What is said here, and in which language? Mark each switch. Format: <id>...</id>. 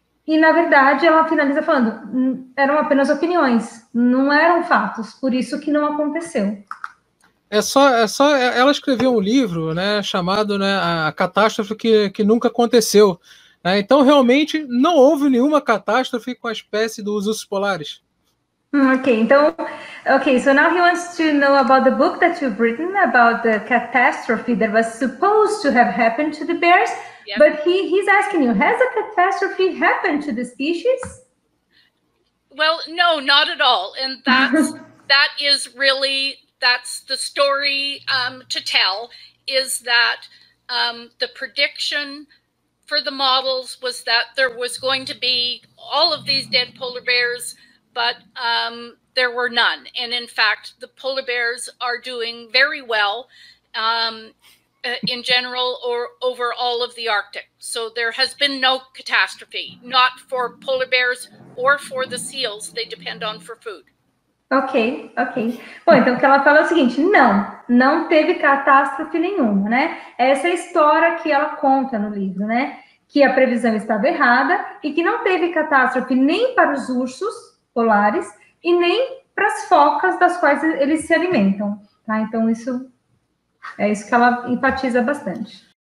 <pt>E, na verdade, ela finaliza falando, eram apenas opiniões, não eram fatos, por isso que não aconteceu. É só ela escreveu um livro, né, chamado, né, A Catástrofe que Nunca Aconteceu. Né? Então, realmente, não houve nenhuma catástrofe com a espécie dos ursos polares.</pt> <en>Okay, so now he wants to know about the book that you've written about the catastrophe that was supposed to have happened to the bears. Yep. But he's asking you, has a catastrophe happened to the species? Well, no, not at all. And that's the story to tell, is that the prediction for the models was that there was going to be all of these dead polar bears, but there were none. And in fact, the polar bears are doing very well. In general, or over all of the Arctic. So there has been no catastrophe, not for polar bears or for the seals they depend on for food. Ok.</en> <pt>Bom, então o que ela fala é o seguinte, não teve catástrofe nenhuma, né? Essa é a história que ela conta no livro, né? Que a previsão estava errada e que não teve catástrofe nem para os ursos polares e nem para as focas das quais eles se alimentam, tá? Então isso... É isso que ela enfatiza bastante.</pt>